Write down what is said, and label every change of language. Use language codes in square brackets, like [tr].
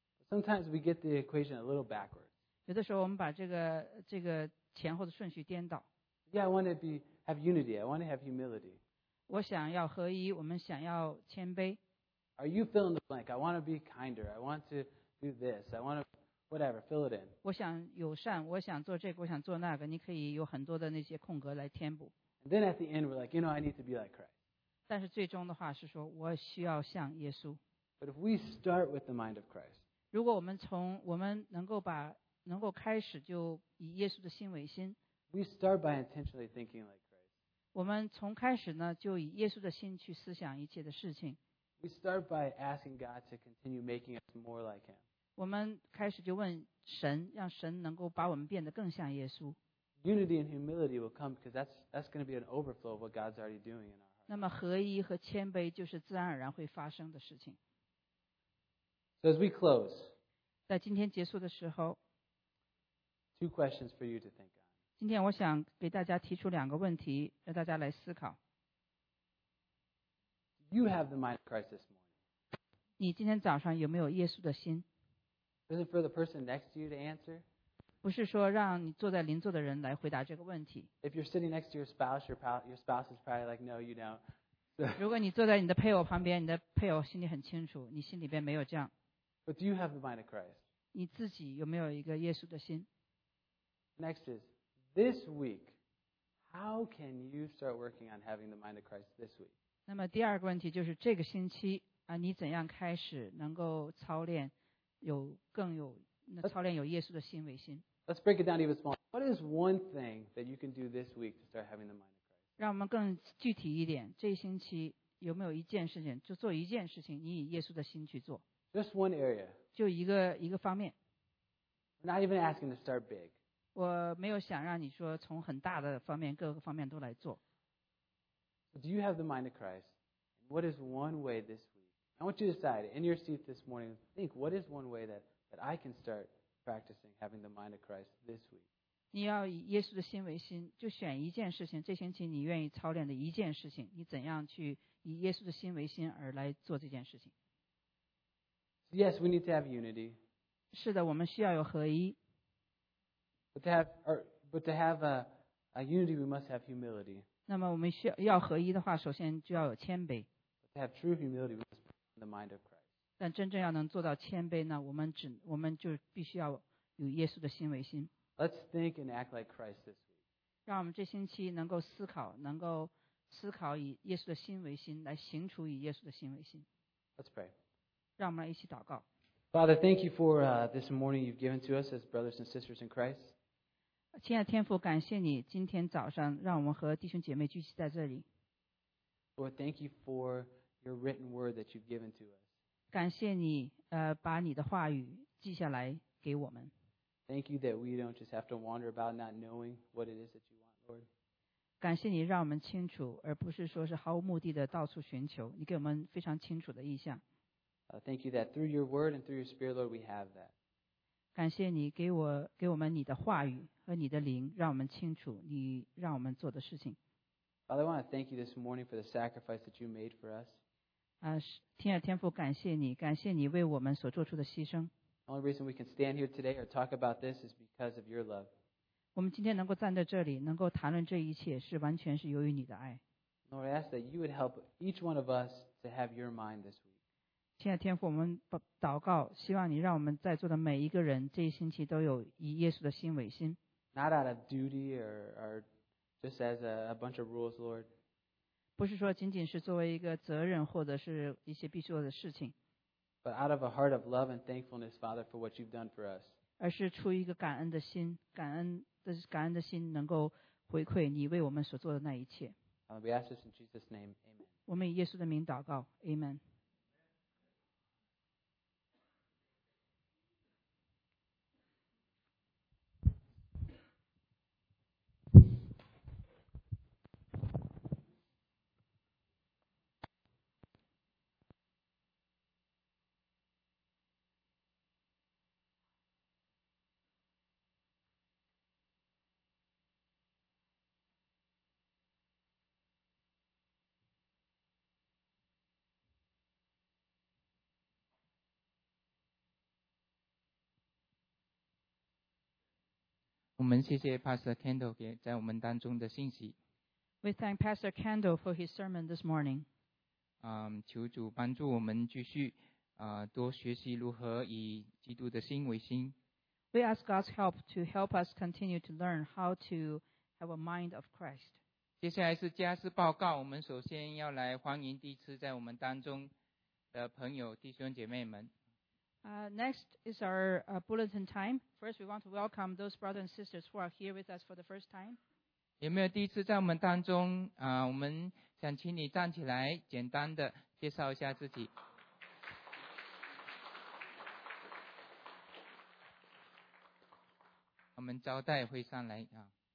[en] Sometimes we get the equation a little backwards. [zh] 有的时候我们把这个前后的顺序颠倒。 [en] Yeah, I want to have unity. I want to have humility. [zh] 我想要合一，我们想要谦卑。 [en] Are you filling the blank? I want to be kinder. I want to do this. I want to whatever. Fill it in. [zh] 我想友善，我想做这个，我想做那个。你可以有很多的那些空格来填补。 [en] And then at the end, we're like, you know, I need to be like Christ. [zh] 但是最终的话是说，我需要像耶稣。 [en] But if we start with the mind of Christ, [zh] 如果我们能够开始就以耶稣的心为心， [en] we start by intentionally thinking like Christ. [zh] 我们从开始呢就以耶稣的心去思想一切的事情。 [en] We start by asking God to continue making us more like Him. [zh] 我们开始就问神，让神能够把我们变得更像耶稣。 [en] Unity and humility will come because that's going to be an overflow of what God's already doing in our hearts. [zh] 那么合一和谦卑就是自然而然会发生的事情。 [en] So as we close, [zh] 在今天结束的时候， [en] two questions for you to think on. [zh] 今天我想给大家提出两个问题，让大家来思考。 [en] Do you have the mind of Christ this morning? [zh] 你今天早上有没有耶稣的心？ [en] Is it for the person next to you to answer? [zh] 不是说让你坐在邻座的人来回答这个问题。 [en] If you're sitting next to your spouse, your spouse is probably like, no, you don't. [zh] 如果你坐在你的配偶旁边，你的配偶心里很清楚，你心里边没有这样。 [en] But do you have the mind of Christ? [zh] 你自己有没有一个耶稣的心？ [en] Next is, this week, how can you start working on having the mind of Christ this week? [zh] 那么第二个问题就是这个星期啊，你怎样开始能够操练有更有操练有耶稣的心为心。 [en] Let's break it down even smaller. What is one thing that you can do this week to start having the mind of Christ? [zh] 让我们更具体一点，这一星期有没有一件事情，就做一件事情，你以耶稣的心去做。 [en] Just one area. [zh] 就一个方面。 [en] We're not even asking to start big. [zh] 我没有想让你说从很大的方面，各个方面都来做。 [en] Do you have the mind of Christ? What is one way this week? I want you to decide in your seat this morning, think, what is one way that I can start practicing having the mind of Christ this week. [zh] 你要以耶稣的心为心，就选一件事情，这星期你愿意操练的一件事情，你怎样去以耶稣的心为心而来做这件事情。 [en] Yes, we need to have unity. [zh] 是的，我们需要有合一。 [en] But to have a unity, we must have humility. [zh] 那么我们需要合一的话，首先就要有谦卑。 [en] But to have true humility, we must have the mind of Christ. [zh] 但真正要能做到谦卑呢，我们就必须要与耶稣的心为心。 [en] Let's think and act like Christ this week. [zh] 让我们这星期能够思考以耶稣的心为心，来行出以耶稣的心为心。 [en] Let's pray. [zh] 让我们来一起祷告。 [en] Father, thank you for this morning you've given to us as brothers and sisters in Christ. [zh] 亲爱的天父，感谢你今天早上让我们和弟兄姐妹聚集在这里。 [en] Lord, thank you for your written word that you've given to us. [zh] 感谢你把你的话语记下来给我们。 [en] Thank you that we don't just have to wander about not knowing what it is that you want, Lord. [zh] 感谢你让我们清楚，而不是说是毫无目的的到处寻求。你给我们非常清楚的意象。 [en] Thank you that through your word and through your spirit, Lord, we have that. [zh] 感谢你给我们你的话语和你的灵，让我们清楚你让我们做的事情。 [en] Father, I want to thank you this morning for the sacrifice that you made for us. [zh] 亲爱的天父，感谢你，感谢你为我们所做出的牺牲。 [en] The only reason we can stand here today or talk about this is because of your love. [zh] 我们今天能够站在这里，能够谈论这一切，是完全是由于你的爱。 [en] Lord, I ask that you would help each one of us to have your mind this week. [zh] 亲爱的天父，我们祷告，希望你让我们在座的每一个人这一星期都有以耶稣的心为心。 [en] Not out of duty or just as a bunch of rules, Lord. [zh] 不是说仅仅是作为一个责任或者是一些必须做的事情。 [en] But out of a heart of love and thankfulness, Father, for what you've done for us. [zh] 而是出一个感恩的心，感恩的心，能够回馈你为我们所做的那一切。 [en] We ask this in Jesus' name, Amen. [zh] 我们以耶稣的名祷告 ，Amen。我们谢谢 Pastor Kendall 给在我们当中的信息。 [en] We thank Pastor Kendall for his sermon this morning. [zh] 求主帮助我们继续多学习如何以基督的心为心。 [en] We ask God's help to help us continue to learn how to have a mind of Christ. [zh] 接下来是家事报告，我们首先要来欢迎第一次在我们当中的朋友弟兄姐妹们。 [en] Next is our bulletin time. First, we want to welcome those brothers and sisters who are here with us for the first time. [zh] 有没有第一次在我们当中？我们想请你站起来，简单的介绍一下自己。我们招待会上来啊。